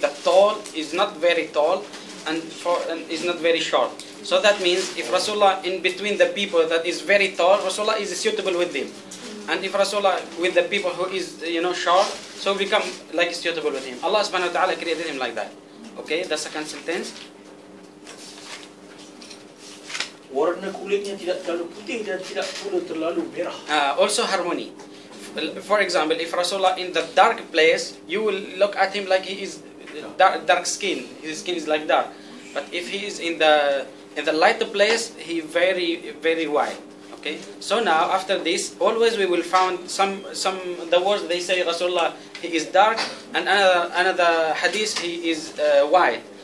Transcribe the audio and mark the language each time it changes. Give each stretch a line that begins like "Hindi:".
English: The tall is not very tall, and is not very short. So that means if Rasulullah in between the people that is very tall, Rasulullah is suitable with them. And if Rasulullah with the people who is, you know, short, so become like suitable with him. Allah subhanahu wa ta'ala created him like that. Okay, the second sentence.
Indonesian: Warna kulitnya tidak terlalu putih dan tidak pula terlalu merah.
English: Also harmony. For example, if Rasulullah in the dark place, you will look at him like he is dark skin. His skin is like dark. But if he is in the light place, he very, very white. Okay. So now, after this, always we will find some the words they say, Rasulullah, he is dark, and another hadith, he is white.